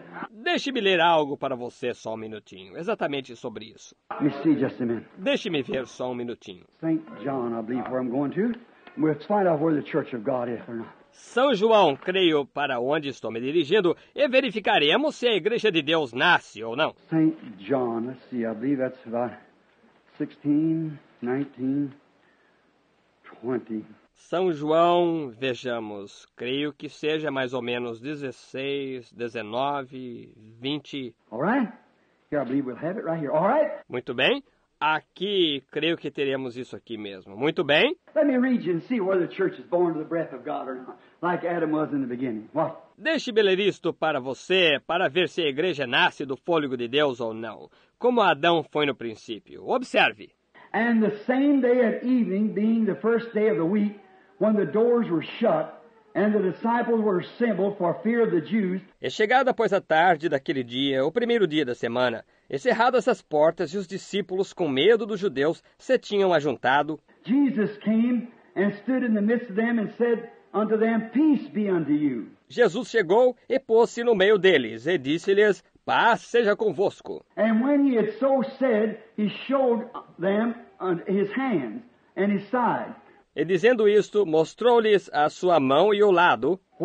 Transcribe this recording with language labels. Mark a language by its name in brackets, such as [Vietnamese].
[Portuguese] Deixe-me ler algo para você só um minutinho, exatamente sobre isso. [English] Let me see just a minute. [Portuguese] Deixe-me ver só um minutinho. [English] St. John, I believe, where I'm going to. We'll find out where the church of God is or not. [Portuguese] São João, creio, para onde estou me dirigindo, e verificaremos se a Igreja de Deus nasce ou não. [English] St. John, let's see, I believe that's about 16, 19, 20. [Portuguese] São João, vejamos, creio que seja mais ou menos 16, 19, 20. [English] All right. Here, I believe we'll have it right here. All right. [Portuguese] Muito bem. Aqui, creio que teremos isso aqui mesmo. Muito bem. [English] Let me read you and see whether the church is born to the breath of God or not, like Adam was in the beginning. What? [Portuguese] Deixe-me ler isto para você, para ver se a igreja nasce do fôlego de Deus ou não, como Adão foi no princípio. Observe. [English] And the same day at evening, being the first day of the week, when the doors were shut, and the disciples were assembled for fear of the Jews. [Portuguese] E chegada, pois, a tarde daquele dia, o primeiro dia da semana, encerradas as portas e os discípulos, com medo dos judeus, se tinham ajuntado. [English] Jesus came and stood in the midst of them and said unto them, peace be unto you. [Portuguese] Jesus chegou e pôs-se no meio deles e disse-lhes, paz seja convosco. [English] And when he had so said, he showed them his hands and his side. [Portuguese] E dizendo isto, mostrou-lhes a sua mão e o lado.